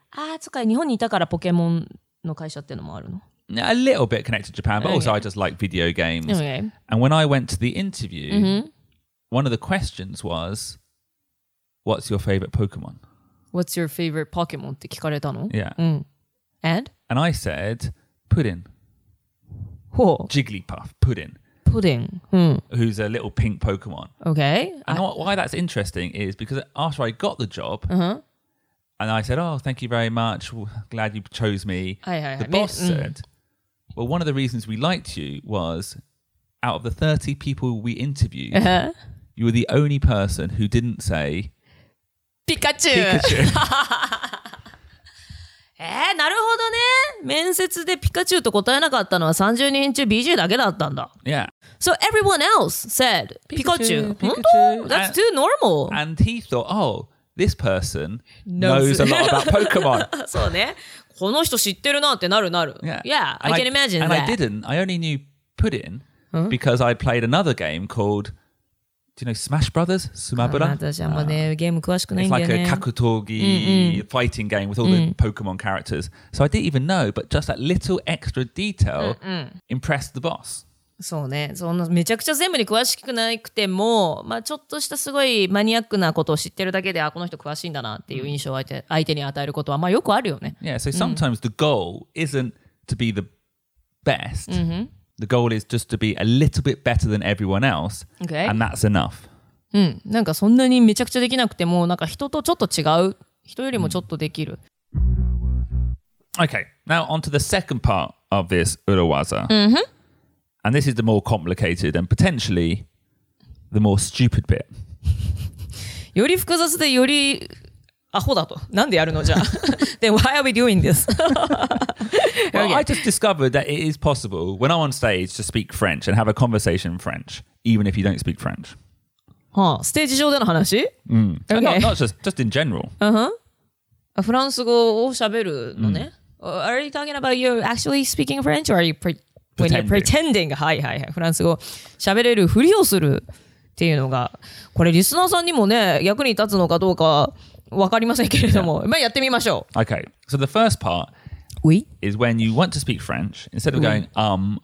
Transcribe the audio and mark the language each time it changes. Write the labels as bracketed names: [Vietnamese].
[Japanese] ああ、そっか、日本にいたからポケモンの会社っていうのもあるの? [English] A little bit connected to Japan, but also I just like video games. Okay. And when I went to the interview,、mm-hmm. one of the questions was, what's your favorite Pokemon? What's your favorite Pokemon? [Japanese] って聞かれたの? [English] Yeah.、 And? And I said, Pudding. Who? Jigglypuff, Pudding. Pudding.、 Who's a little pink Pokemon. Okay. And why that's interesting is because after I got the job,、uh-huh. And I said, oh, thank you very much. Glad you chose me. The boss said, well, one of the reasons we liked you was out of the 30 people we interviewed,、uh-huh. you were the only person who didn't say Pikachu. [Japanese] なるほどね。面接でピカチュウと答えなかったのは30人中 BJ だけだったんだ。 [English] Yeah. So everyone else said Pikachu. Pikachu. That's too normal. And he thought, oh,This person knows a lot about Pokemon. [Japanese] そうね。この人知ってるなってなるなる。 [English] Yeah, I can imagine and that. And I didn't. I only knew Pudin because I played another game called, do you know Smash Brothers? [Japanese] Sumabura? あ、私あんまね、ゲーム詳しくないんだよね。 [English] It's like a kakutogi fighting game with all the Pokemon characters. So I didn't even know, but just that little extra detail impressed the boss. [Japanese] そうね、そんなめちゃくちゃ全部に詳しくなくても、まあ、ちょっとしたすごいマニアックなことを知ってるだけで、あ、この人詳しいんだなっていう印象を相手に与えることは、まあ、よくあるよね。 [English] Yeah, so sometimes the goal isn't to be the best. The goal is just to be a little bit better than everyone else. Okay. And that's enough. [Japanese] うん、なんかそんなにめちゃくちゃできなくても、なんか人とちょっと違う、人よりもちょっとできる。 [English] Okay, now on to the second part of this urawaza. And this is the more complicated and potentially the more stupid bit. [Japanese] より複雑でよりアホだと。なんでやるのじゃ。 [English] Then why are we doing this? Well, I just discovered that it is possible when I'm on stage to speak French and have a conversation in French, even if you don't speak French. [Japanese] Huh, stage 上での話? [English] Not just in general. Uh-huh. [Japanese] フランス語を喋るのね。 [English] Are you talking about you actually speaking French or are you pretending? [Japanese] はいはいはい。フランス語喋れるふりをするっていうのが、これリスナーさんにもね、役に立つのかどうかわかりませんけれども、yeah. まあやってみましょう。 [English] Okay, so the first part、 oui? is when you want to speak French, instead of going、oui.